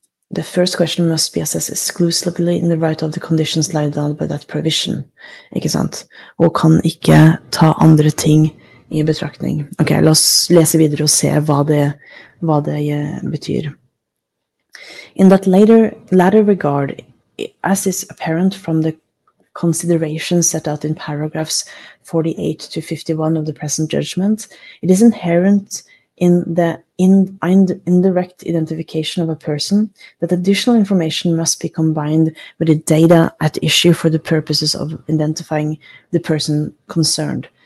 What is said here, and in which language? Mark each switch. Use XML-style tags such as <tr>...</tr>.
<en>The first question must be assessed exclusively in the right of the conditions laid down by that provision.</en> <no>Ikke sant? Og kan ikke ta andre ting I betraktning. Ok, la oss lese videre og se hva det betyr.</no> <en>In that latter regard, as is apparent from the considerations set out in paragraphs 48 to 51 of the present judgment, it is inherent in the indirect identification of a person that additional information must be combined with the data at issue for the purposes of identifying the person concerned.</en>